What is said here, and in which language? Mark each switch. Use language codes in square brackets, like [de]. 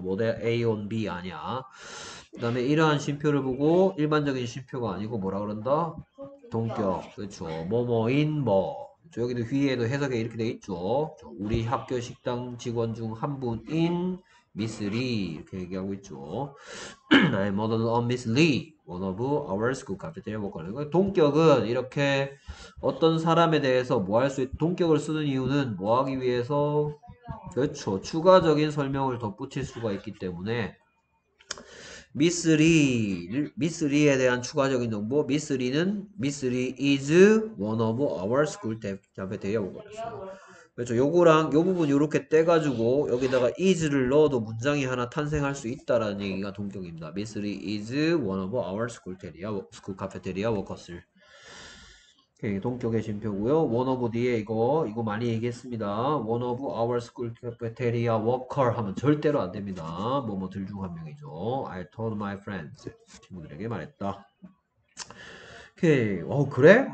[ko] 모델 A on B 아니야. 그 다음에 이러한 쉼표를 보고 일반적인 쉼표가 아니고 뭐라 그런다? 동격. 그렇죠. 뭐뭐인 뭐. 저 여기도 위에도 해석에 이렇게 돼 있죠. 우리 학교 식당 직원 중한 분인 미스 리 이렇게 얘기하고 있죠. [en] I murdered Miss Lee, one of our school cafeteria workers. [ko] 동격은 이렇게 어떤 사람에 대해서 뭐할수 동격을 쓰는 이유는 뭐 하기 위해서 그렇죠. 추가적인 설명을 덧붙일 수가 있기 때문에 미스 리에 대한 추가적인 정보. [en] 미스 리는 미스 리 is one of our school cafeteria workers. 그렇죠. [ko] 요거랑 요 부분 요렇게 떼가지고 여기다가 is를 넣어도 문장이 하나 탄생할 수 있다라는 얘기가 동격입니다. [en] Miss Lee is one of our school cafeteria workers. [ko] 오케이, 동쪽에 쉼표고요. [en] One of the 이거 많이 얘기했습니다. One of our school cafeteria worker 하면 절대로 안 됩니다. [ko] 뭐뭐 둘중한 명이죠. I told my friends 친구들에게 말했다. 오케이, 그래?